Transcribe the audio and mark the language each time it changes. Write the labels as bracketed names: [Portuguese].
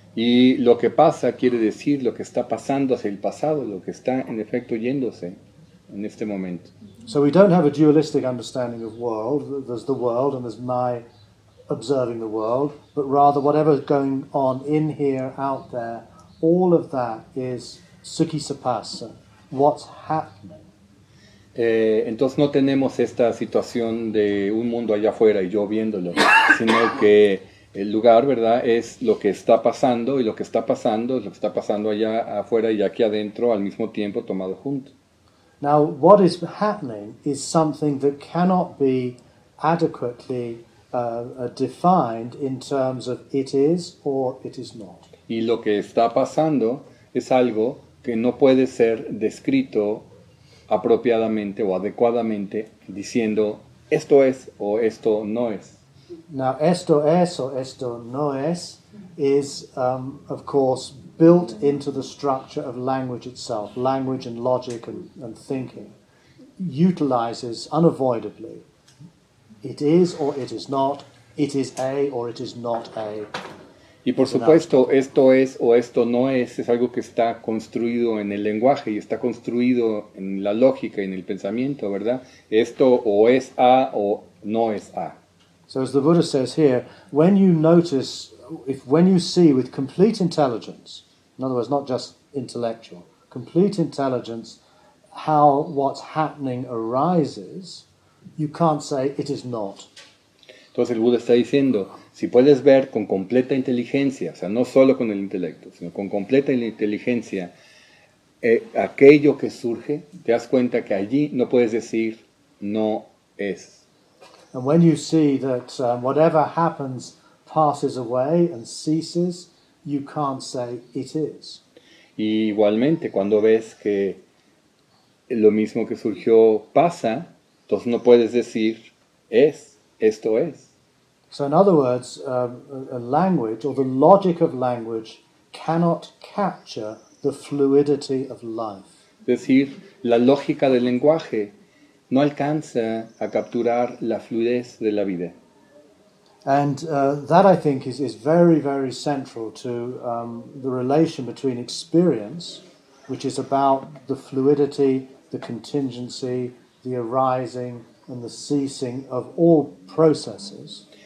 [Spanish] Y lo que pasa quiere decir lo que está pasando hacia el pasado, lo que está en efecto yéndose en este momento. [English] So we don't have a dualistic understanding of world. There's the world and there's my observing the world. But rather whatever's going on in here, out there, all of that is suki sapasa, what's happening. [Spanish] Entonces no tenemos esta situación de un mundo allá afuera y yo viéndolo, sino que el lugar, ¿verdad?, es lo que está pasando, y lo que está pasando es lo que está pasando allá afuera y aquí adentro al mismo tiempo tomado junto. [English] Now, what is happening is something that cannot be adequately defined in terms of it is or it is not. [Spanish] Y lo que está pasando es algo que no puede ser descrito apropiadamente o adecuadamente diciendo esto es o esto no es. [English] Now, [Spanish] esto es o esto no es [English] is, of course, built into the structure of language itself. Language and logic and thinking utilizes unavoidably it is or it is not, it is A or it is not A. [Spanish] Y por supuesto, esto es o esto no es, es algo que está construido en el lenguaje y está construido en la lógica y en el pensamiento, ¿verdad? Esto o es A o no es A. [English] So as the Buddha says here, when you notice, when you see with complete intelligence, in other words, not just intellectual, complete intelligence, how what's happening arises, you can't say it is not. [Spanish] Entonces el Buda está diciendo, si puedes ver con completa inteligencia, o sea, no solo con el intelecto, sino con completa inteligencia, aquello que surge, te das cuenta que allí no puedes decir no es. [English] And when you see that whatever happens passes away and ceases, you can't say it is. [Spanish] Y igualmente, cuando ves que lo mismo que surgió pasa, entonces no puedes decir es, esto es. [English] So in other words, a language or the logic of language cannot capture the fluidity of life. [Spanish] Es decir, la lógica del lenguaje no alcanza a capturar la fluidez de la vida. [English] And that I think is very, very central to the relation between experience, which is about the fluidity, the contingency, the arising and the ceasing of all processes.